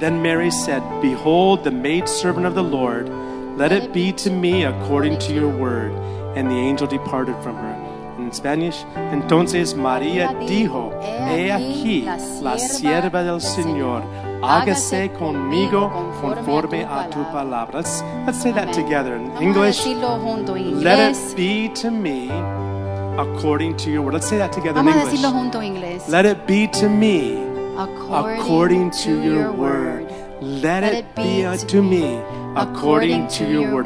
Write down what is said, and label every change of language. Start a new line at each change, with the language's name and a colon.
English: Then Mary said, "Behold, the maidservant of the Lord, let it be to me according to your word." And the angel departed from her. In Spanish,
Spanish: entonces María dijo, "He aquí la sierva del Señor, hágase conmigo conforme a tu palabra."
English: Let's say that together in English. Let it be to me according to your word. Let's say that together in English. Let it be to me according to your word. Let it be to me according to your word.